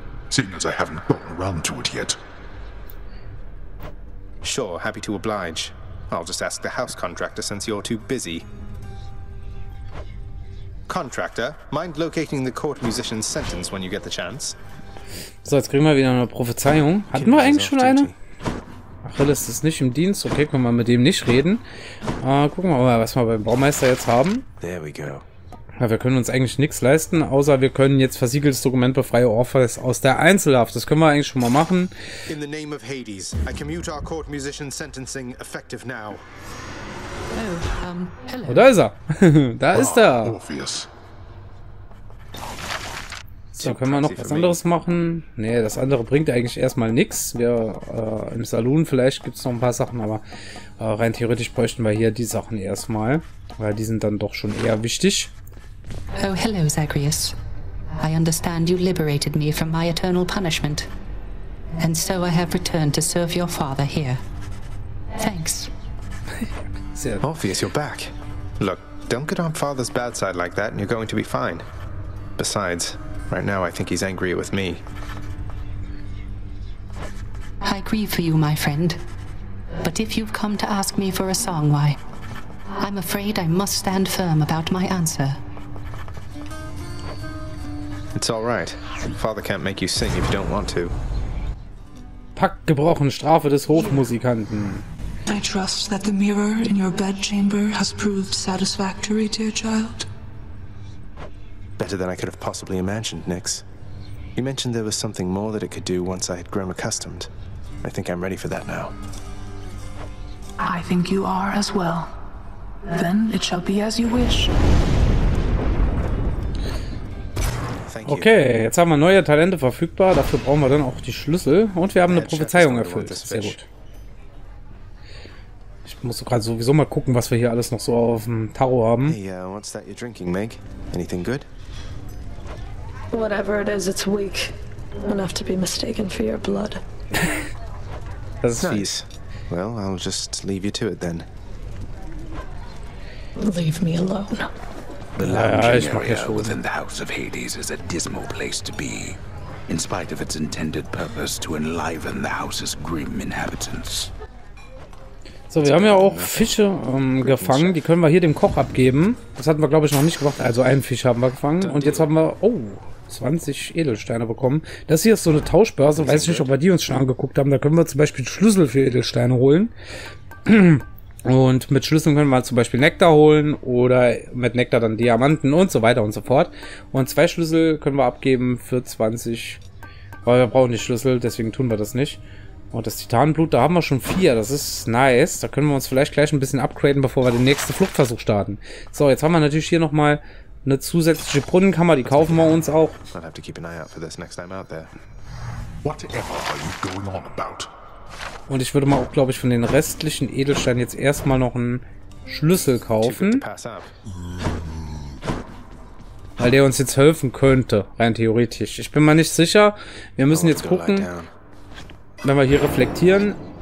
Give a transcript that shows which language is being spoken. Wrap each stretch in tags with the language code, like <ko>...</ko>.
<en>Seeing as I haven't gotten around to it yet. Sure, happy to oblige. I'll just ask the house contractor since you're too busy. Contractor, mind locating the court musician's sentence when you get the chance?</en> <de>So, jetzt kriegen wir wieder eine Prophezeiung. Hatten wir eigentlich schon eine? Achilles ist nicht im Dienst. Okay, können wir mit dem nicht reden. Gucken wir mal, was wir beim Baumeister jetzt haben.</de> <en>There we go.</en> <de>Ja, wir können uns eigentlich nichts leisten, außer wir können jetzt versiegeltes Dokument befreie Orpheus aus der Einzelhaft. Das können wir eigentlich schon mal machen.</de> <en>In the name of Hades, I commute our court musician sentencing effective now. Oh, hello.</en> <de>Oh, da ist er. Da ist er.</de> <en>Orpheus.</en> <de>So, können wir noch was anderes machen? Nee, das andere bringt eigentlich erstmal nichts. Wir im Saloon vielleicht gibt es noch ein paar Sachen, aber rein theoretisch bräuchten wir hier die Sachen erstmal, weil die sind dann doch schon eher wichtig.</de> <en>Oh, hello, Zagreus. I understand you liberated me from my eternal punishment. And so I have returned to serve your father here. Thanks. Orpheus, you're back. Look, don't get on father's bad side like that and you're going to be fine. Besides, right now I think he's angry with me. I grieve for you, my friend. But if you've come to ask me for a song, why, I'm afraid I must stand firm about my answer. It's all right. Father can't make you sing if you don't want to.</en> <de>Pakt gebrochen, Strafe des Hofmusikanten.</de> <en>I trust that the mirror in your bedchamber has proved satisfactory, dear child. Better than I could have possibly imagined, Nix. You mentioned there was something more that it could do once I had grown accustomed. I think I'm ready for that now. I think you are as well. Then it shall be as you wish.</en> <de>Okay, jetzt haben wir neue Talente verfügbar. Dafür brauchen wir dann auch die Schlüssel. Und wir haben eine Prophezeiung erfüllt. Sehr gut. Ich muss gerade sowieso mal gucken, was wir hier alles noch so auf dem Tarot haben.</de> <en>Hey, what's that you're drinking, Meg? Anything good? Whatever it is, it's weak. Enough to be mistaken for your blood.</en> <de>Das ist fies.</de> <en>Well, I'll just leave you to it then. Leave me alone. The lounging area within the House of Hades is a dismal place to be, in spite of its intended purpose to enliven the house's grim inhabitants.</en> <de>So, wir haben ja auch Fische gefangen. Die können wir hier dem Koch abgeben. Das hatten wir, glaube ich, noch nicht gemacht. Also einen Fisch haben wir gefangen. Und jetzt haben wir, 20 Edelsteine bekommen. Das hier ist so eine Tauschbörse. Weiß ich nicht, ob wir die uns schon angeguckt haben. Da können wir zum Beispiel Schlüssel für Edelsteine holen. Und mit Schlüsseln können wir zum Beispiel Nektar holen oder mit Nektar dann Diamanten und so weiter und so fort. Und zwei Schlüssel können wir abgeben für 20. Weil wir brauchen die Schlüssel, deswegen tun wir das nicht. Und das Titanenblut, da haben wir schon 4. Das ist nice. Da können wir uns vielleicht gleich ein bisschen upgraden, bevor wir den nächsten Fluchtversuch starten. So, jetzt haben wir natürlich hier nochmal eine zusätzliche Brunnenkammer. Die kaufen wir uns auch.</de> <en>I'll have to keep an eye out for this next time out there. Whatever are you going on about?</en> <de>Und ich würde mal auch, glaube ich, von den restlichen Edelsteinen jetzt erstmal noch einen Schlüssel kaufen. Weil der uns jetzt helfen könnte, rein theoretisch. Ich bin mal nicht sicher. Wir müssen jetzt gucken, wenn wir hier reflektieren.</de>